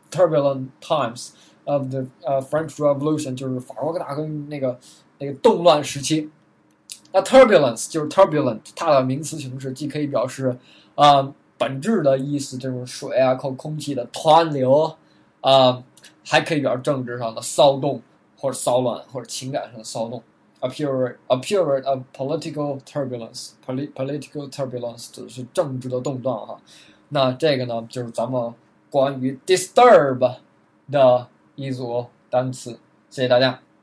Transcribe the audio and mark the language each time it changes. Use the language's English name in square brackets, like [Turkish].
[English] Turbulent times of the French Revolution， [Chinese] 就是法国大革命那个动乱时期。那 turbulence 就是 turbulent， 它的名词形式既可以表示本质的意思，这种水啊或空气的湍流还可以表示政治上的骚动或者骚乱或者情感上的骚动。 [English] A period of political turbulence， political turbulence [Chinese] 指的是政治的动荡哈。那这个呢就是咱们关于 disturb 的一组单词，谢谢大家。